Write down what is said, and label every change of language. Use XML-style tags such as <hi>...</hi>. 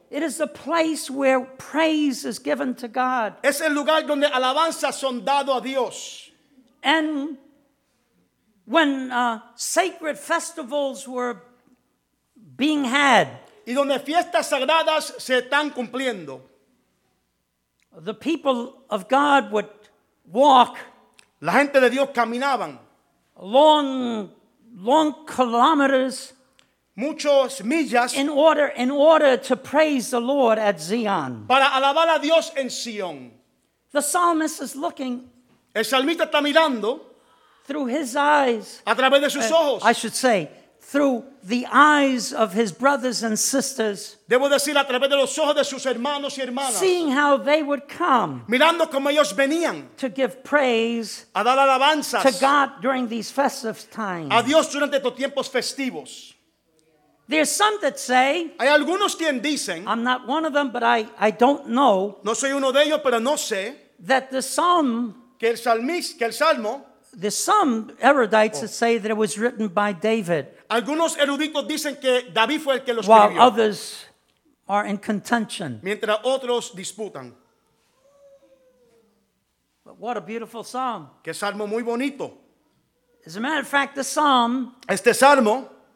<en>it is the place where praise is given to God.</en> <es>Es el lugar donde alabanzas son dado a Dios.</es> <en>And when sacred festivals were being had,</en> <es>y donde fiestas sagradas se están cumpliendo,</es> <en>the people of God would walk.</en> <es>La gente de Dios caminaban</es> <en>long kilometers,</en> <es>muchos millas,</es> <en>in order to praise the Lord at Zion.</en> <es>Para alabar a Dios en Sion.</es> <en>The psalmist is looking.</en> <es>El salmista está mirando</es> <en>through his eyes.</en> <es>A través de sus ojos.</es> <en>I should say, through the eyes of his brothers and sisters.</en> <es>Debo decir a través de los ojos de sus hermanos y hermanas.</es> <en>Seeing how they would come.</en> <es>Mirando como ellos venían.</es> <en>To give praise.</en> <es>A dar alabanzas.</es> <en>To God during these festive times.</en> <es>A Dios durante estos tiempos festivos.</es> <en>There's some that say.</en> <es>Hay algunos quien dicen.</es> <en>I'm not one of them, but I don't know.</en> <es>No soy uno de ellos, pero no sé.</es> <en>That the psalm.</en> <es>Que el salmista, que el salmo.</es> <en>There's some erudites that say that it was written by David.</en> <es>Algunos eruditos dicen que David fue el que lo escribió.</es> <en>While others are in contention.</en> <es>Mientras otros disputan.</es> <en>But what a beautiful psalm.</en> <es>Qué salmo muy bonito.</es> <en>As a matter of fact, the psalm.</en> <es>Este salmo.</es>